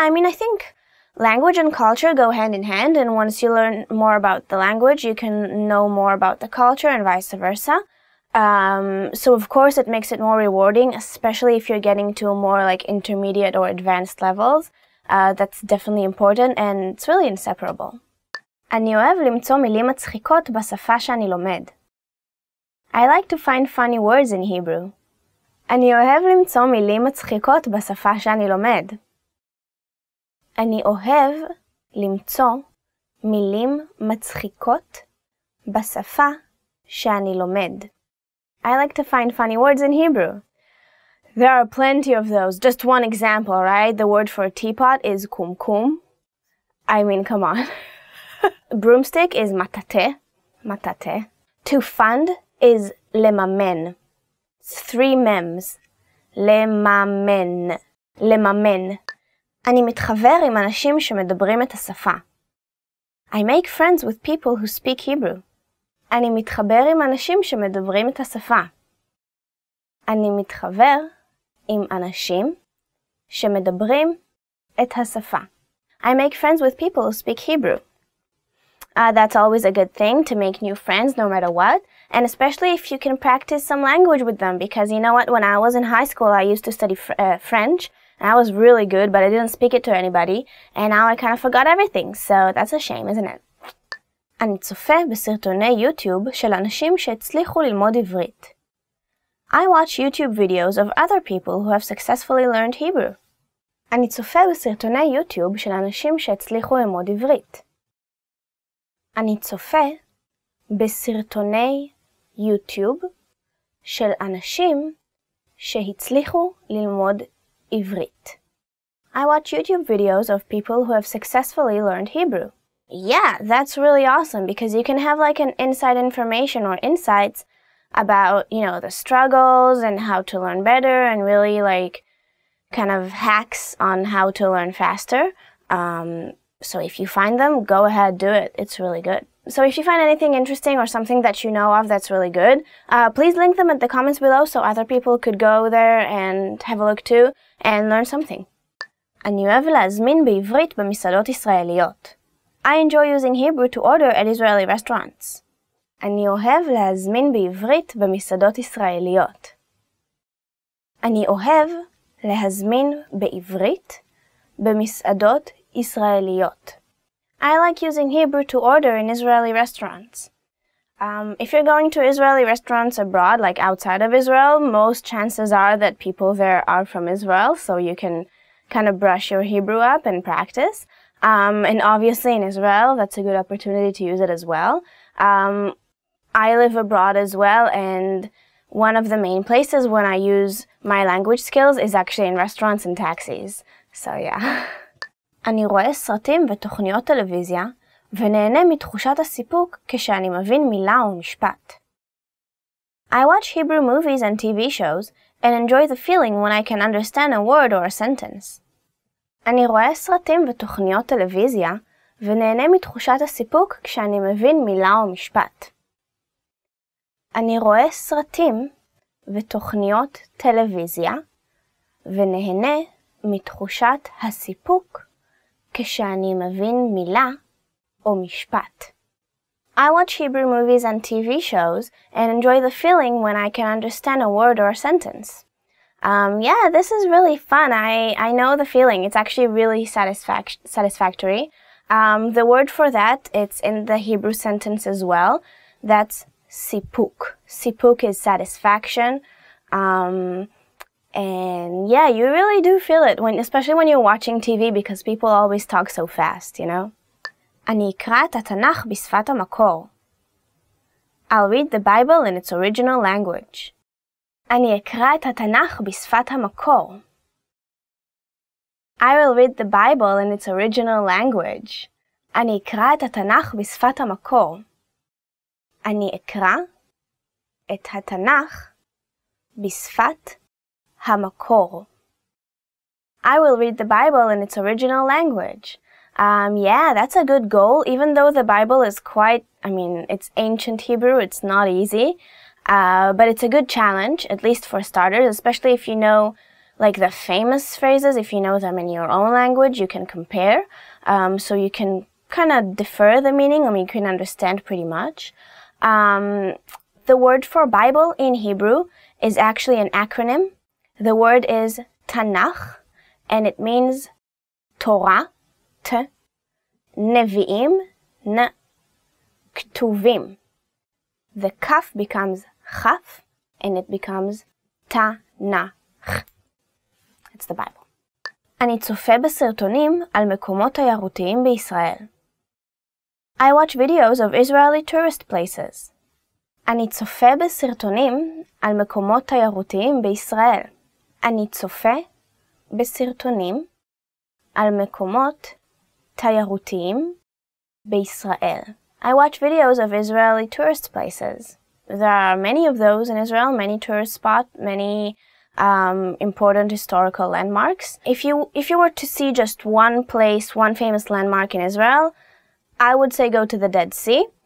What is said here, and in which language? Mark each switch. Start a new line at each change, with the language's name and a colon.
English: I think language and culture go hand in hand, and once you learn more about the language, you can know more about the culture and vice versa. So of course it makes it more rewarding, especially if you're getting to a more like intermediate or advanced levels. That's definitely important, and it's really inseparable.
Hebrew: אני אוהב למצוא מילים מצחיקות בשפה שאני לומד.
English: I like to find funny words in Hebrew.
Hebrew: אני אוהב למצוא מילים מצחיקות בשפה שאני לומד. אני אוהב למצוא מילים מצחיקות בשפה שאני לומד.
English: I like to find funny words in Hebrew. There are plenty of those. Just one example, right? The word for teapot is kumkum. I mean, come on. Broomstick is matate. Matate. To fund is lemamen. Three mems.
Hebrew: Lemamen. Lemamen. אני מתחבר עם אנשים שמדברים את השפה.
English: I make friends with people who speak Hebrew.
Hebrew: אני מתחבר עם אנשים שמדברים את השפה. אני מתחבר עם אנשים שמדברים את השפה.
English: I make friends with people who speak Hebrew. That's always a good thing, to make new friends no matter what, and especially if you can practice some language with them, because you know what, when I was in high school I used to study French, and I was really good, but I didn't speak it to anybody, and now I kind of forgot everything, so that's a shame, isn't it?
Hebrew: אני צופה בסרטוני יוטיוב של אנשים שהצליחו ללמוד עברית.
English: I watch YouTube videos of other people who have successfully learned Hebrew.
Hebrew: אני צופה בסרטוני יוטיוב של אנשים שהצליחו ללמוד עברית. אני צופה בסרטוני יוטיוב של אנשים שהצליחו ללמוד עברית.
English: I watch YouTube videos of people who have successfully learned Hebrew. Yeah, that's really awesome, because you can have like an inside information or insights about, you know, the struggles and how to learn better, and really like kind of hacks on how to learn faster. So if you find them, go ahead, do it. It's really good. So if you find anything interesting or something that you know of that's really good, please link them in the comments below so other people could go there and have a look too and learn something.
Hebrew: אני אוהב להזמין בעברית במסעדות ישראליות.
English: I enjoy using Hebrew to order at Israeli restaurants.
Hebrew: אני אוהב להזמין בעברית במסעדות ישראליות. אני אוהב להזמין בעברית במסעדות ישראליות.
English: I like using Hebrew to order in Israeli restaurants. If you're going to Israeli restaurants abroad, like outside of Israel, most chances are that people there are from Israel, so you can kind of brush your Hebrew up and practice. And obviously in Israel, that's a good opportunity to use it as well. I live abroad as well, and One of the main places when I use my language skills is actually in restaurants and taxis. So yeah.
Hebrew: אני רואה סרטים ותוכניות טלוויזיה ונהנה מתחושת הסיפוק כשאני מבין מילה או משפט.
English: I watch Hebrew movies and TV shows and enjoy the feeling when I can understand a word or a sentence.
Hebrew: אני רואה סרטים ותוכניות טלוויזיה ונהנה מתחושת הסיפוק כשאני מבין מילה או משפט. אני רואה סרטים ותוכניות טלוויזיה ונהנה מתחושת הסיפוק כשאני מבין מילה או משפט.
English: I watch Hebrew movies and TV shows and enjoy the feeling when I can understand a word or a sentence. Yeah, this is really fun. I know the feeling. It's actually really satisfactory. The word for that, it's in the Hebrew sentence as well. That's sipuk. Sipuk is satisfaction. And yeah, you really do feel it, especially when you're watching TV, because people always talk so fast, you know?
Hebrew: אני אקרא את התנ"ך בשפת המקור.
English: I'll read the Bible in its original language.
Hebrew: אני אקרא את התנ"ך בשפת המקור. I will read the Bible in its original language. אני אקרא את התנ"ך בשפת המקור. אני אקרא את התנ"ך בשפת המקור.
English: I will read the Bible in its original language. Yeah, that's a good goal, even though the Bible is quite, I mean, it's ancient Hebrew, it's not easy. But it's a good challenge, at least for starters, especially if you know, like, the famous phrases, if you know them in your own language, you can compare. So you can kind of defer the meaning, I mean, you can understand pretty much. The word for Bible in Hebrew is actually an acronym. The word is Tanakh, and it means Torah, T, Nevi'im, N, K'tuvim. The kaf becomes chaf, and it becomes Tanakh. It's the Bible.
Hebrew: אני צופה בסרטונים על מקומות תיירותיים בישראל.
English: I watch videos of Israeli tourist places.
Hebrew: אני צופה בסרטונים על מקומות תיירותיים בישראל. אני צופה בסרטונים על מקומות תיירותיים בישראל.
English: I watch videos of Israeli tourist places. There are many of those in Israel, many tourist spots, many important historical landmarks. If you were to see just one place, one famous landmark in Israel, I would say go to the Dead Sea.